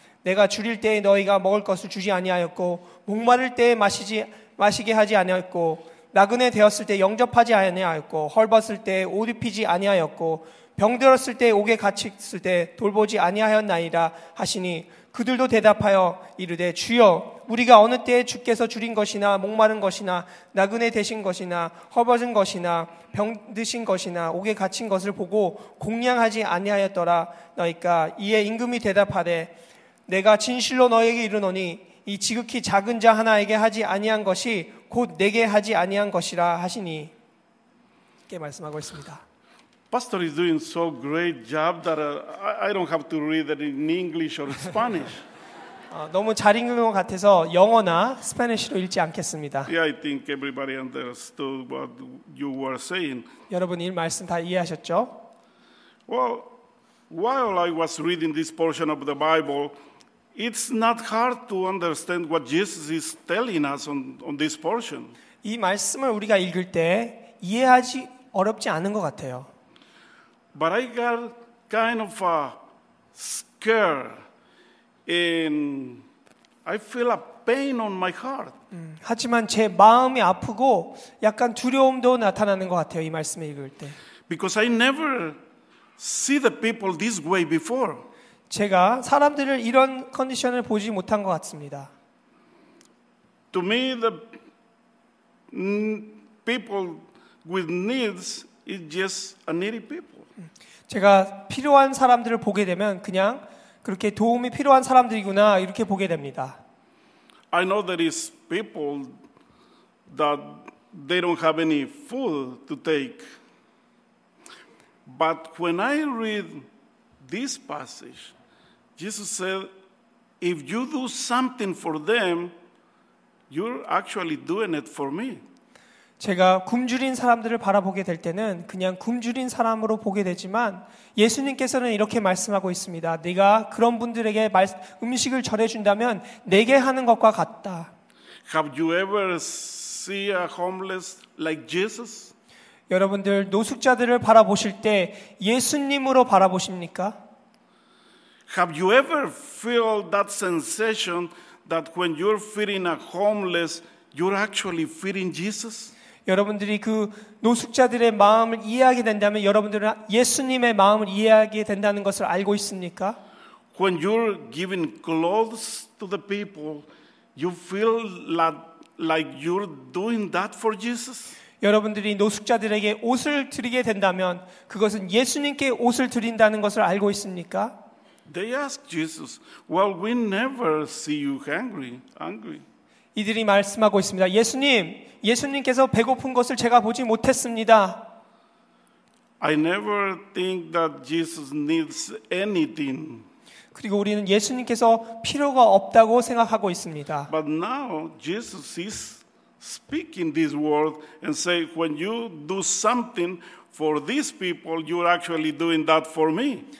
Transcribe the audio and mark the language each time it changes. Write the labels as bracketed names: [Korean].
[Korean] 내가 주릴 때에 너희가 먹을 것을 주지 아니하였고 목마를 때에 마시게 하지 아니하였고 나그네 되었을 때 영접하지 아니하였고 헐벗을 때 옷 입히지 아니하였고 병들었을 때 옥에 갇혔을 때 돌보지 아니하였나이라 하시니 그들도 대답하여 이르되 주여 우리가 어느 때에 주께서 주린 것이나 목마른 것이나 나그네 되신 것이나 헐벗은 것이나 병드신 것이나 옥에 갇힌 것을 보고 공양하지 아니하였더라. 너희가 이에 임금이 대답하되 내가 진실로 너희에게 이르노니 이 지극히 작은 자 하나에게 하지 아니한 것이 곧 내게 하지 아니한 것이라 하시니 이렇게 말씀하고 있습니다. [English] Pastor is doing so great job that I don't have to read it in English or Spanish. [Korean] 너무 잘 읽는 것 같아서 영어나 스페니쉬로 읽지 않겠습니다. [English] Yeah, I think everybody understood what you were saying. [Korean] 여러분 이 말씀 다 이해하셨죠? [English] Well, while I was reading this portion of the Bible, it's not hard to understand what Jesus is telling us on this portion. [Korean] 이 말씀을 우리가 읽을 때 이해하지 어렵지 않은 것 같아요. [English] But I got kind of scared in I feel a pain on my heart. [Korean] 하지만 제 마음이 아프고 약간 두려움도 나타나는 것 같아요. 이 말씀을 읽을 때. [English] Because I never see the people this way before. [Korean] 제가 사람들을 이런 컨디션을 보지 못한 것 같습니다. [English] To me, the people with needs is just a needy people. [Korean] 제가 필요한 사람들을 보게 되면 그냥 그렇게 도움이 필요한 사람들이구나 이렇게 보게 됩니다. [English] I know there is people that they don't have any food to take. But when I read this passage, Jesus said, if you do something for them, you're actually doing it for me. [Korean] 제가 굶주린 사람들을 바라보게 될 때는 그냥 굶주린 사람으로 보게 되지만 예수님께서는 이렇게 말씀하고 있습니다. 네가 그런 분들에게 음식을 전해준다면 내게 하는 것과 같다. [English] Have you ever seen a homeless like Jesus? [Korean] 여러분들 노숙자들을 바라보실 때 예수님으로 바라보십니까? [English] Have you ever felt that sensation that when you're feeding a homeless, you're actually feeding Jesus? [Korean] 여러분들이 그 노숙자들의 마음을 이해하게 된다면 여러분들은 예수님의 마음을 이해하게 된다는 것을 알고 있습니까? [English] When you're giving clothes to the people, you feel like you're doing that for Jesus? [Korean] 여러분들이 노숙자들에게 옷을 드리게 된다면 그것은 예수님께 옷을 드린다는 것을 알고 있습니까? [English] They ask Jesus, "Well, we never see you hungry." [Korean] 이들이 말씀하고 있습니다. 예수님께서 배고픈 것을 제가 보지 못했습니다. [English] I never think that Jesus needs anything. [Korean] 그리고 우리는 예수님께서 필요가 없다고 생각하고 있습니다. [English] But now Jesus is speaking this word and say, "When you do something for these people, you're actually doing that for me."